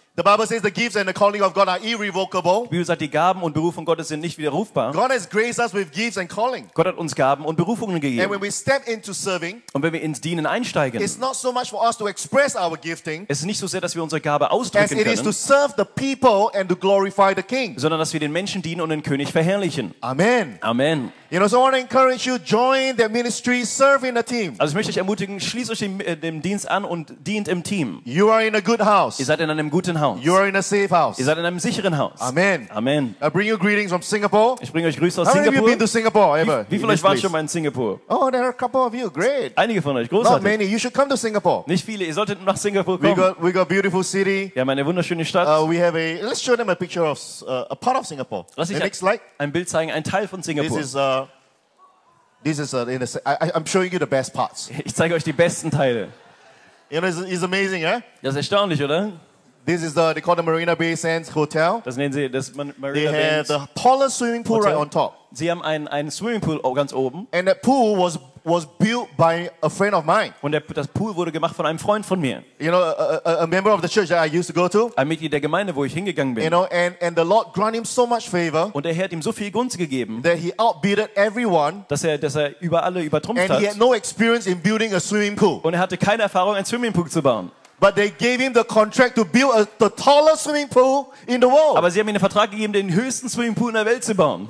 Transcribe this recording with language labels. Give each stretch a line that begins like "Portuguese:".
English: The Bible says the gifts and the calling of God are irrevocable.
German: Die Bibel sagt, die Gaben und Berufung Gottes sind nicht widerrufbar.
English: God has graced us with gifts and calling.
German: Gott hat uns Gaben und Berufungen gegeben.
English: And when we step into serving,
German: und wenn wir ins Dienen einsteigen,
English: it's not so much for us to express our gifting,
German: es ist nicht so sehr, dass wir unsere Gabe ausdrücken können,
English: as it is to serve the people and to glorify the King,
German: sondern dass wir den Menschen dienen und den König verherrlichen.
English: Amen.
German: Amen.
English: You know, so I want to encourage you, join the ministry, serve in a team.
German: Also ich möchte euch ermutigen, schließt euch dem Dienst an und dient im Team.
English: You are in a good house.
German: Ihr seid in einem guten Haus.
English: You are in a safe house.
German: Ihr seid in einem sicheren Haus.
English: Amen.
German: Amen.
English: I bring you greetings from Singapore.
German: Ich bringe euch Grüße aus
English: How
German: Singapur.
English: How many of you been to Singapore ever?
German: Wie viele waren schon mal in Singapur?
English: Oh, there are a couple of you. Great.
German: Einige von euch. Großartig.
English: Not many. You should come to Singapore.
German: Nicht viele. Ihr solltet nach Singapur kommen.
English: We got beautiful city.
German: Wir haben eine wunderschöne Stadt.
English: We have a. Let's show them a picture of a part of Singapore.
German: Lass ich
English: next slide.
German: Ein Bild zeigen, ein Teil von Singapur.
English: I'm showing you the best parts.
German: Ich zeige euch die besten Teile.
English: You know, it's amazing, eh?
German: Das ist erstaunlich, oder?
English: This is the they call the Marina Bay Sands Hotel.
German: Das nennen sie das Marina Bay.
English: They have the tallest swimming pool
German: Hotel
English: right on top.
German: Sie haben einen Swimmingpool ganz oben.
English: And that pool was built by a friend of mine.
German: Und das Pool wurde gemacht von einem Freund von mir.
English: You know, a member of the church that I used to go to.
German: Ein Mitglied der Gemeinde, wo ich hingegangen bin.
English: You know, and the Lord granted him so much favor.
German: Und der Herr hat ihm so viel Gunst gegeben.
English: That he outbidded everyone.
German: Dass er über alle übertrumpft
English: and
German: hat.
English: And he had no experience in building a swimming pool.
German: Und er hatte keine Erfahrung, einen Swimmingpool zu bauen.
English: But they gave him the contract to build the tallest swimming pool in the world.
German: Aber sie haben ihm den Vertrag gegeben, den höchsten Swimming Pool in der Welt zu bauen.